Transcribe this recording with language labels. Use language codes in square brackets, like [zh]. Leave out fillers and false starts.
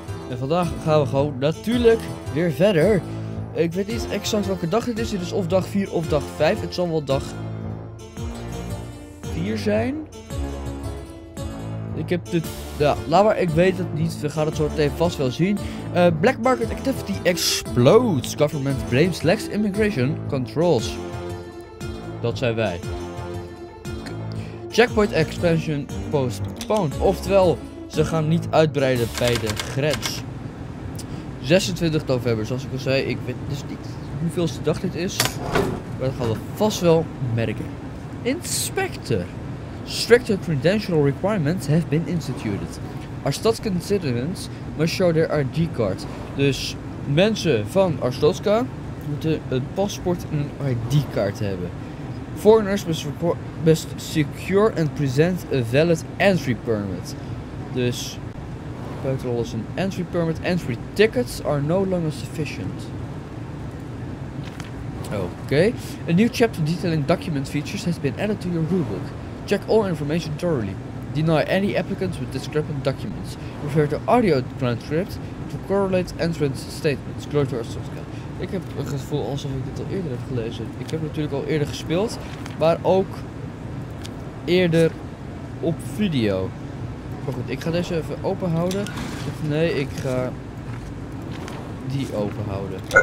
[nl] En vandaag gaan we gewoon natuurlijk weer verder. Ik weet niet exact welke dag het is. Dit is of dag 4 of dag 5. Het zal wel dag 4 zijn. Ik heb dit... Ja, laat maar, ik weet het niet. We gaan het zo meteen vast wel zien. [en] Black market activity explodes. Government blames lax immigration controls. [nl] Dat zijn wij. [en] Checkpoint expansion postponed. [nl] Oftewel, ze gaan niet uitbreiden bij de grens. 26 november, zoals ik al zei. Ik weet dus niet hoeveelste dag dit is. Maar dat gaan we vast wel merken. Inspector. [en] Stricter credential requirements have been instituted. Our Arstotzka citizens must show their ID card. [nl] Dus mensen van Arstotzka moeten een paspoort en een ID card hebben. [en] Foreigners must secure and present a valid entry permit. [nl] Dus buitenrol is een entry permit. [en] Entry tickets are no longer sufficient. Okay. A new chapter detailing document features has been added to your rulebook. Check all information thoroughly. Deny any applicants with discrepant documents. Refer to audio transcript to correlate entrance statements. Close to Arstotzka. [nl] Ik heb het gevoel alsof ik dit al eerder heb gelezen. Ik heb natuurlijk al eerder gespeeld, maar ook eerder op video. Maar goed, ik ga deze even open houden. Of nee, ik ga die open houden.